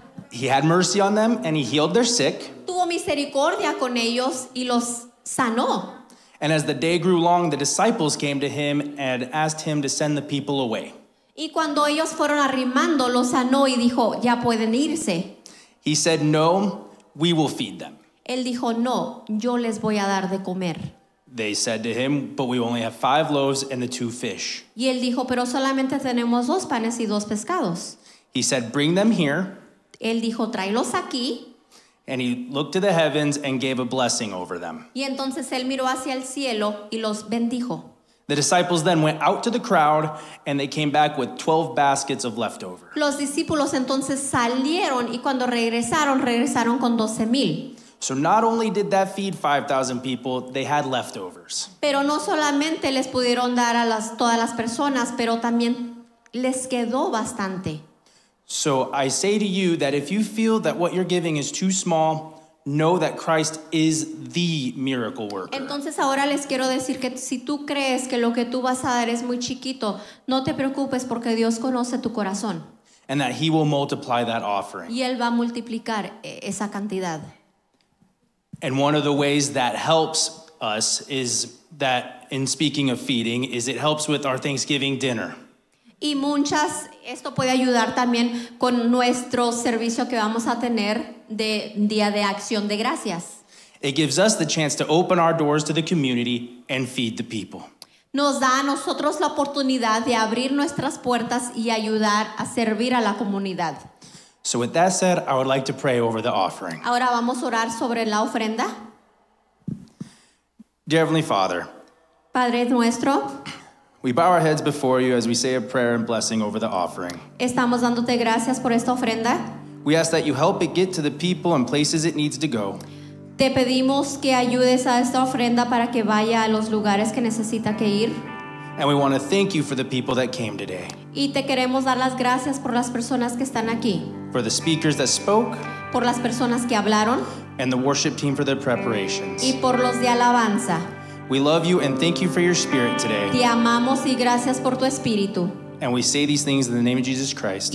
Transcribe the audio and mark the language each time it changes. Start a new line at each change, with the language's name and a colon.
English: He had mercy on them, and he healed their sick.
Spanish: Tuvo misericordia con ellos y los sanó.
English: And as the day grew long, the disciples came to him and asked him to send the people away.
Spanish: Y cuando ellos fueron arrimando, los sanó y dijo, ya pueden irse.
English: He said, no, we will feed them.
Spanish: Él dijo, no, yo les voy a dar de comer.
English: They said to him, but we only have 5 loaves and the 2 fish.
Spanish: Y él dijo, pero solamente tenemos 2 panes y 2 pescados.
English: He said, bring them here.
Spanish: Él dijo, tráelos aquí.
English: And he looked to the heavens and gave a blessing over them.
Spanish: Y entonces él miró hacia el cielo y los bendijo.
English: The disciples then went out to the crowd and they came back with 12 baskets of leftover.
Spanish: Los discípulos entonces salieron y cuando regresaron, regresaron con 12,000.
English: So not only did that feed 5,000 people, they had leftovers.
Spanish: Pero no solamente les pudieron dar a las, todas las personas, pero también les quedó bastante.
English: So I say to you that if you feel that what you're giving is too small, know that Christ is the miracle worker.
Spanish: Entonces ahora les quiero decir que si tú crees que lo que tú vas a dar es muy chiquito, no te preocupes porque Dios conoce tu corazón.
English: And that he will multiply that offering.
Spanish: Y él va a multiplicar esa cantidad.
English: And one of the ways that helps us is that, in speaking of feeding, is it helps with our Thanksgiving dinner.
Spanish: Y muchas, esto puede ayudar también con nuestro servicio que vamos a tener de Día de Acción de Gracias.
English: It gives us the chance to open our doors to the community and feed the people.
Spanish: Nos da a nosotros la oportunidad de abrir nuestras puertas y ayudar a servir a la comunidad.
English: So with that said, I would like to pray over the offering.
Spanish: Ahora vamos a orar sobre la ofrenda.
English: Dear Heavenly Father,
Spanish: Padre nuestro,
English: we bow our heads before you as we say a prayer and blessing over the offering.
Spanish: Estamos dándote gracias por esta ofrenda.
English: We ask that you help it get to the people and places it needs to go.
Spanish: Te pedimos que ayudes a esta ofrenda para que vaya a los lugares que necesita que ir.
English: And we want to thank you for the people that came today.
Spanish: Y te queremos dar las gracias por las personas que están aquí.
English: For the speakers that spoke.
Spanish: Por las personas que hablaron.
English: And the worship team for their preparations.
Spanish: Y por los de alabanza.
English: We love you and thank you for your spirit today.
Spanish: Te amamos y gracias por tu espíritu.
English: And we say these things in the name of Jesus Christ.